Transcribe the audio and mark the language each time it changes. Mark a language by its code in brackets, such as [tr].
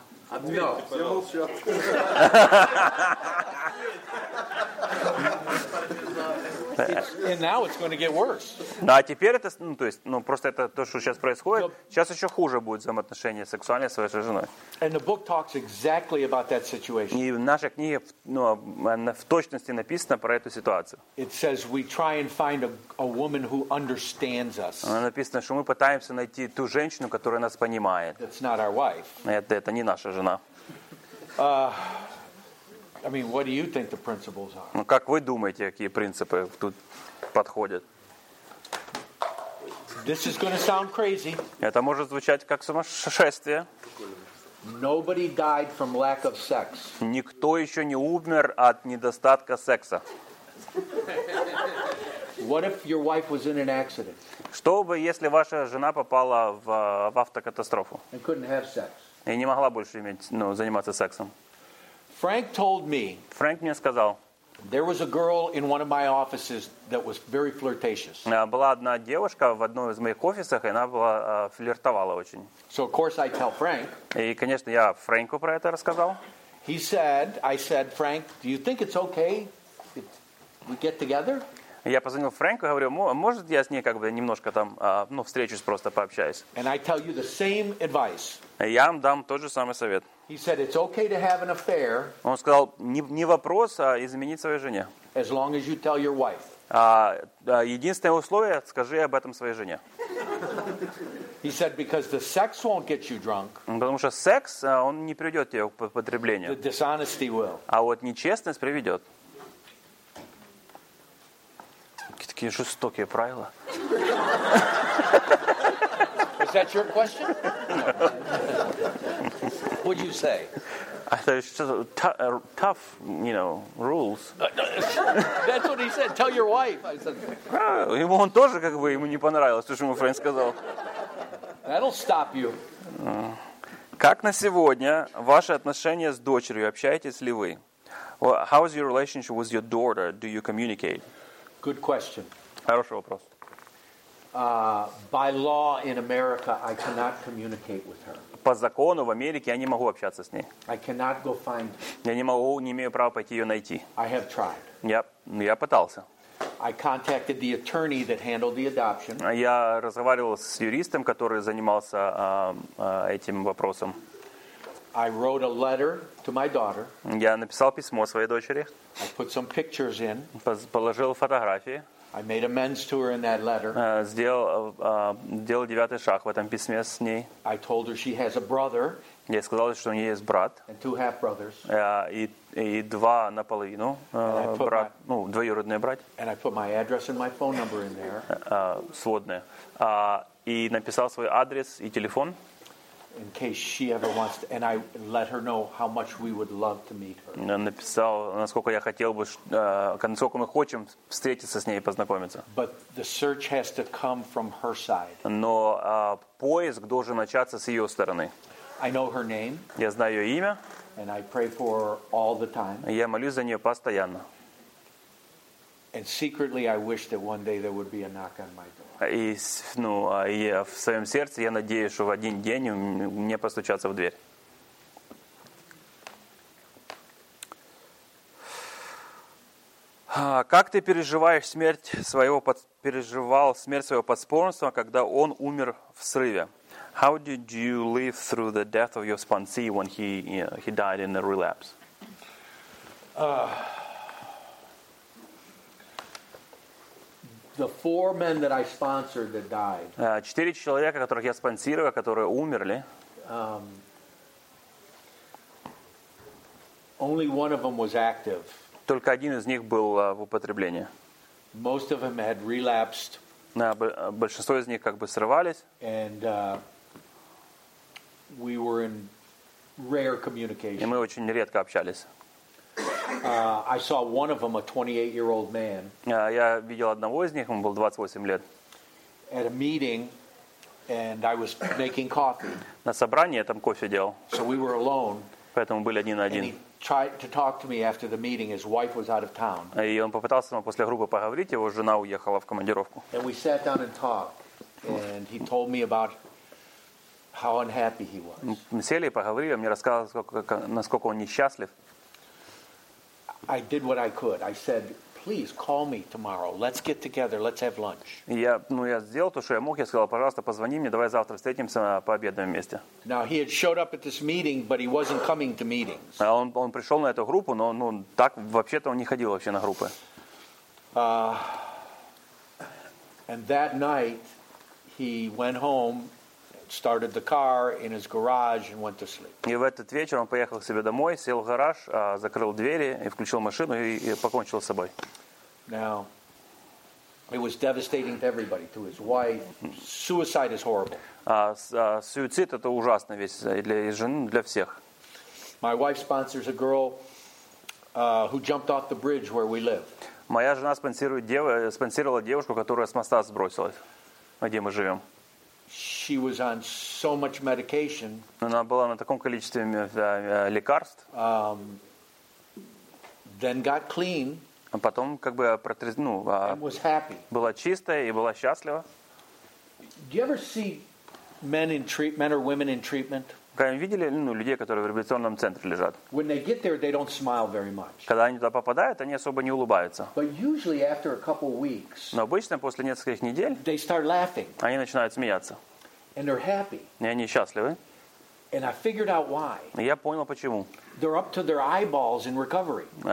[ru] Ответьте, пожалуйста. [en] And now it's going to get worse. [ru] Ну, а теперь это, ну, то есть, ну, просто это то, что сейчас происходит, сейчас еще хуже будет взаимоотношения сексуальные с вашей женой. [en] And the book talks exactly about that situation. [ru] И в нашей книге, ну, в точности написано про эту ситуацию. [en] It says we try and find a woman who understands us. [ru] Она написана, что мы пытаемся найти ту женщину, которая нас понимает. [en] That's not our wife. [ru] Это не наша жена. [en] I mean, what do you think the principles are? [ru] Ну, как вы думаете, какие принципы тут подходят? [en] This is going to sound crazy. [ru] Это может звучать как сумасшествие. [en] Nobody died from lack of sex. [ru] Никто еще не умер от недостатка секса. [en] What if your wife was in an accident? [ru] Что бы, если ваша жена попала в автокатастрофу? [en] And couldn't have sex. [ru] И не могла больше иметь, ну, заниматься сексом. [en] Frank [ru] мне сказал. [en] There was a girl in one of my offices that was very flirtatious. [ru] Была одна девушка в одном из моих офисов, и она была флиртовала очень. [en] So of course I tell Frank. [ru] И, конечно, я Фрэнку про это рассказал. [en] He said, I said, Frank, do you think it's okay we get together? [ru] Я позвонил Фрэнку, говорю, может я с ней как бы немножко там, ну, встречусь, просто пообщаюсь. [en] And I tell you the same advice. [ru] Я вам дам тот же самый совет. [en] He said, it's okay to have an affair. [ru] Он сказал, не вопрос, а изменить своей жене. [en] As long as you tell your wife. [ru] Единственное условие, скажи об этом своей жене. [en] He said, because the sex won't get you drunk. [ru] Потому что секс, он не приведет тебя к употреблению. [en] The dishonesty will. [ru] А вот нечестность приведет. Какие жестокие правила. [en] Is that your question? What'd you say? I thought it's just tough, you know, rules. That's what he said. Tell your wife. I said. [ru] Ему он тоже как бы ему не понравилось, то что ему Фрэнк сказал. [en] That'll stop you. [ru] Как на сегодня ваши отношения с дочерью? Общаетесь ли вы? [en] How is your relationship with your daughter? Do you communicate? Good question. [ru] Хороший вопрос. [en] By law in America, I cannot communicate with her. [ru] По закону в Америке я не могу общаться с ней. [en] I cannot go find her. [ru] Я не могу, не имею права пойти ее найти. [en] I have tried. [ru] Я пытался. [en] I contacted the attorney that handled the adoption. [ru] Я разговаривал с юристом, который занимался этим вопросом. [en] I wrote a letter to my daughter. [ru] Я написал письмо своей дочери. [en] I put some pictures in. [ru] Положил фотографии. [en] I made amends to her in that letter. [ru] Сделал девятый шаг в этом письме с ней. [en] I told her she has a brother. [ru] Я сказал, что у нее есть брат. [en] And two half brothers. [ru] И два наполовину брат, ну, двоюродные братья. [en] And I put my address and my phone number in there. [ru] Сводные. И написал свой адрес и телефон. [en] In case she ever wants to, and I let her know how much we would love to meet her. [ru] Написал, насколько я хотел бы, насколько мы хотим встретиться с ней и познакомиться. [en] But the search has to come from her side. [ru] Но поиск должен начаться с ее стороны. [en] I know her name. [ru] Я знаю ее имя. [en] And I pray for her all the time. [ru] Я молюсь за нее постоянно. [en] And secretly, I wish that one day there would be a knock on my door. [ru] И в своем сердце я надеюсь, что в один день мне постучаться в дверь. Как ты переживаешь смерть своего переживал смерть своего подспонсора, когда он умер в срыве? [en] How did you live through the death of your sponsee when he died in a relapse? The four men that I sponsored that died. [ru] Четыре человека, которых я спонсировал, которые умерли. [en] Only one of them was active. [ru] Только один из них был в употреблении. [en] Most of them had relapsed. [ru] Большинство из них как бы срывались. [en] And we were in rare communication. [ru] И мы очень редко общались. [en] I saw one of them, a 28-year-old man. [ru] Я видел одного из них, ему было 28 лет. [en] At a meeting, and I was making coffee. [ru] На собрании я там кофе делал. [en] So we were alone. [ru] Поэтому были один на один. [en] And he tried to talk to me after the meeting. His wife was out of town. [ru] И он попытался со мной после группы поговорить, его жена уехала в командировку. [en] And we sat down and talked, and he told me about how unhappy he was. [ru] Мы сели и поговорили, он мне рассказал, насколько он несчастлив. [en] I did what I could. I said, "Please call me tomorrow. Let's get together. Let's have lunch." [ru] Я сделал то, что я мог. Я сказал, пожалуйста, позвони мне. Давай завтра встретимся пообедаем вместе. [en] Now he had showed up at this meeting, but he wasn't coming to meetings. [ru] Он пришел на эту группу, но ну так вообще-то он не ходил вообще на группы. [en] And that night, he went home, started the car in his garage and went to sleep. [ru] И в этот вечер он поехал к себе домой, сел в гараж, закрыл двери и включил машину и покончил с собой. [en] Now, it was devastating to everybody, to his wife. Suicide is horrible. [ru] Суицид это ужасно весь для жены, для всех. [en] My wife sponsors a girl who jumped off the bridge where we live. [ru] Моя жена спонсировала девушку, которая с моста сбросилась, где мы живем. [en] She was on so much medication. [ru] Она была на таком количестве лекарств. [en] Then got clean. [ru] А потом как бы протрезвнула. [en] And was happy. [ru] Была чистая и была счастлива. [en] Do you ever see men or women in treatment? [ru] Когда они видели людей, которые в революционном центре лежат. [en] When they get there, they don't smile very much. [ru] Когда они туда попадают, они особо не улыбаются. [en] But usually after a couple weeks, [ru] но обычно после нескольких недель [en] they start laughing. [ru] Они начинают смеяться. [en] And they're happy. [ru] И они счастливы. [en] And I figured out why. [ru] И я понял, почему. [en] They're up to their eyeballs in recovery.